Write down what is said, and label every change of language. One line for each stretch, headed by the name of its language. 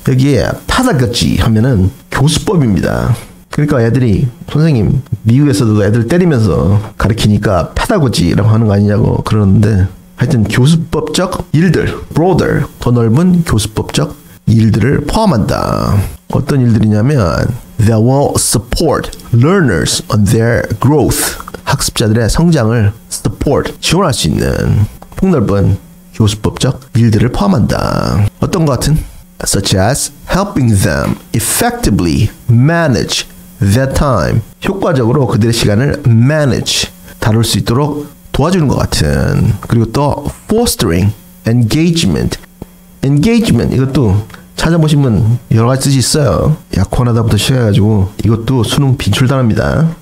Korean: 여기에 pedagogy 하면은 교수법입니다. 그러니까 애들이 선생님 미국에서도 애들 때리면서 가르치니까 pedagogy라고 하는 거 아니냐고 그러는데, 하여튼 교수법적 일들, broader, 더 넓은 교수법적 일들을 포함한다.
English: 어떤 일들이냐면 they will support learners on their growth.
Korean: 학습자들의 성장을 support, 지원할 수 있는 폭넓은 교수법적 일들을 포함한다. 어떤 것 같은?
English: such as helping them effectively manage their time.
Korean: 효과적으로 그들의 시간을 manage, 다룰 수 있도록 도와주는 것 같은. 그리고 또
English: fostering engagement.
Korean: engagement 이것도 찾아보시면 여러 가지 뜻이 있어요. 약혼하다부터 시작해가지고 이것도 수능 빈출단합니다.